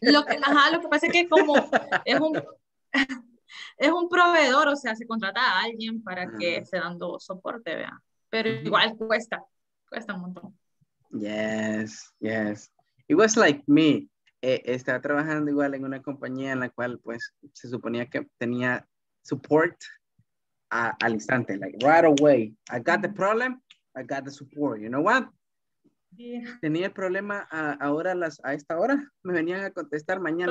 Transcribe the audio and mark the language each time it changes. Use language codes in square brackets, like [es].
[es] Lo que pasa es que como es un proveedor, o sea, se contrata a alguien para que se dando soporte, vea. Pero igual cuesta un montón. [en] Yes, yes. It was like me. [es] Estaba trabajando igual en una compañía en la cual, pues, se suponía que tenía support al instante, [en] like right away. I got the problem, I got the support. You know what? Yeah. [es] Tenía el problema a esta hora, me venían a contestar mañana.